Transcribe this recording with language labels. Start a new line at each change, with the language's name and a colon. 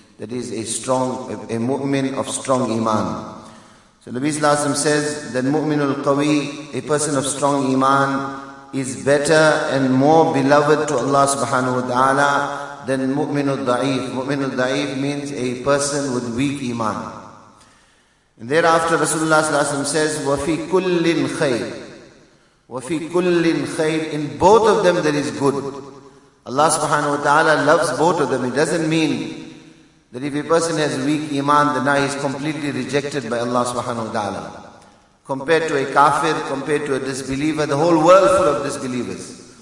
English: That is a mu'min of strong iman. So Nabi ﷺ says that mu'minul qawi, a person of strong iman, is better and more beloved to Allah subhanahu wa ta'ala than mu'minul da'if. Mu'minul da'if means a person with weak iman. And thereafter Rasulullah says,
Arabic: وَفِي كُلِّنْ خَيْرٍ وَفِي كُلِّنْ خَيْرٍ.
English: In both of them there is good. Allah subhanahu wa ta'ala loves both of them. It doesn't mean that if a person has weak iman, then now he is completely rejected by Allah subhanahu wa ta'ala. Compared to a kafir, compared to a disbeliever, the whole world full of disbelievers.